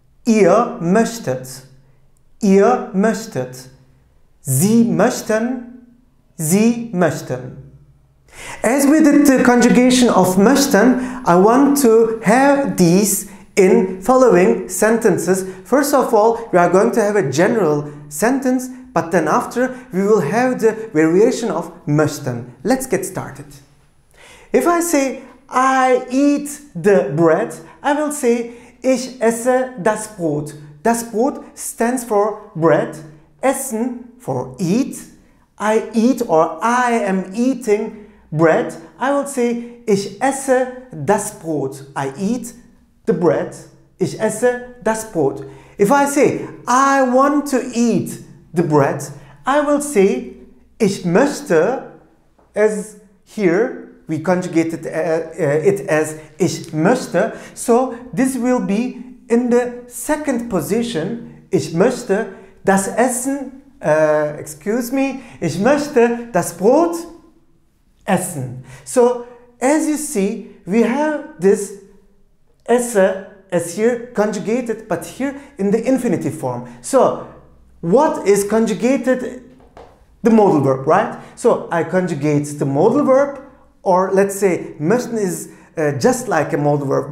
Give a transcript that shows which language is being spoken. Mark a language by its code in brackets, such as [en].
[de] Ihr möchtet, ihr möchtet, sie möchten, sie möchten. [en] As we did the conjugation of möchten, I want to have these in following sentences. First of all, we are going to have a general sentence, but then after we will have the variation of möchten. Let's get started. If I say I eat the bread, I will say [de] ich esse das Brot. [en] Das Brot stands for bread. Essen for eat. I eat or I am eating bread. I will say [de] ich esse das Brot. [en] I eat the bread. [de] Ich esse das Brot. [en] If I say I want to eat the bread, I will say [de] ich möchte, [en] as here we conjugated it as [de] ich möchte. [en] So this will be in the second position. [de] Ich möchte das Essen, ich möchte das Brot essen. [en] So as you see, we have this esse as here conjugated, but here in the infinitive form. So what is conjugated? The modal verb, right? So I conjugate the modal verb. Or let's say möchten is just like a modal verb.